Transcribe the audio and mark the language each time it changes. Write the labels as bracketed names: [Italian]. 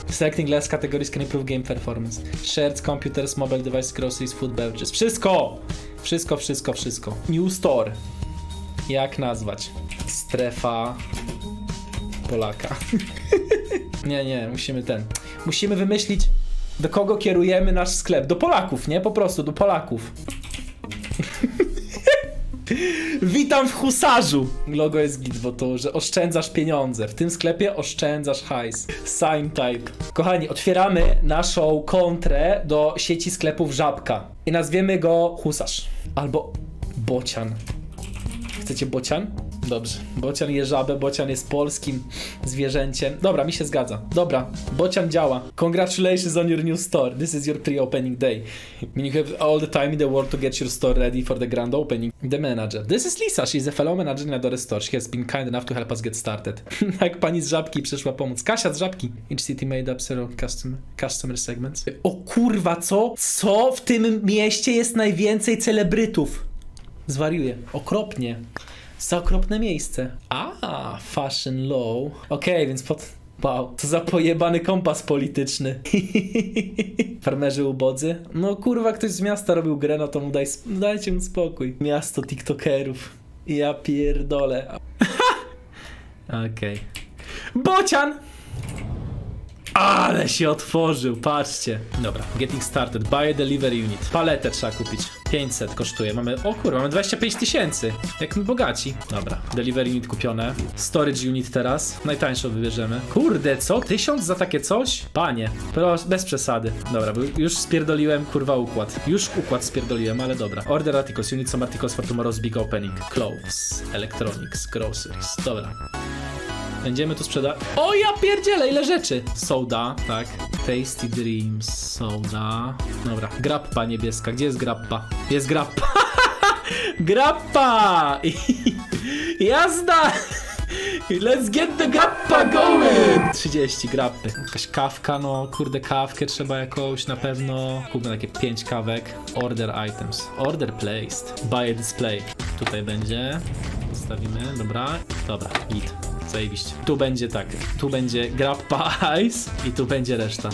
[English] Selecting less categories can improve game performance. Shirts, computers, mobile device, groceries, food beverages. [Polish] Wszystko! Wszystko, wszystko, wszystko. [English] New store. [Polish] Jak nazwać? Strefa Polaka. Nie, nie, musimy ten. Musimy wymyślić, do kogo kierujemy nasz sklep. Do Polaków, nie? Po prostu, do Polaków. Witam w husarzu. Logo jest git, bo to, że oszczędzasz pieniądze. W tym sklepie oszczędzasz hajs. [English] Sign type. [Polish] Kochani, otwieramy naszą kontrę do sieci sklepów Żabka i nazwiemy go husarz. Albo bocian. Chcecie bocian? Dobrze, bocian je żabę, bocian jest polskim zwierzęciem. Dobra, mi się zgadza. Dobra, bocian działa. [English] Congratulations on your new store. This is your pre-opening day. You have all the time in the world to get your store ready for the grand opening. The manager. This is Lisa, she's a fellow manager in Adore Store. She has been kind enough to help us get started. [Polish] Jak pani z Żabki przyszła pomóc. Kasia z Żabki. [English] Each city made up several customer segments. [Polish] O kurwa, co? Co w tym mieście jest najwięcej celebrytów? Zwariuję. Okropnie. Za okropne miejsce. A, [English] fashion low. [Polish] Okej, okay, więc pod... Wow, to za pojebany kompas polityczny. Farmerzy ubodzy? No kurwa, ktoś z miasta robił grę, no to mu daj... Dajcie mu spokój. Miasto tiktokerów. Ja pierdolę. Okej. Okay. Bocian! Ale się otworzył, patrzcie. [English] Dobra, getting started, buy a delivery unit. [Polish] Paletę trzeba kupić, 500 kosztuje. Mamy, o kurwa, mamy 25 tysięcy. Jak my bogaci. Dobra, delivery unit kupione. Storage unit teraz, najtańszą wybierzemy. Kurde, co? 1000 za takie coś? Panie, proszę, bez przesady. Dobra, bo już spierdoliłem, kurwa, układ. Już układ spierdoliłem, ale dobra. [English] Order articles, unit some articles for tomorrow's big opening. Clothes, electronics, groceries. [Polish] Dobra. Będziemy tu sprzedać. O ja pierdzielę, ile rzeczy! Soda, tak. Tasty Dreams, soda. Dobra, grappa niebieska. Gdzie jest grappa? Jest grappa! Grappa! Jazda! [English] Let's get the grappa going! [Polish] 30 grappy. Jakaś kawka, no kurde, kawkę trzeba jakąś na pewno. Kupmy takie 5 kawek. [English] Order items. Order placed. Buy a display. [Polish] Tutaj będzie. Zostawimy, dobra. Dobra, git. Zajebiście. Tu będzie tak, tu będzie grappa ice i tu będzie reszta.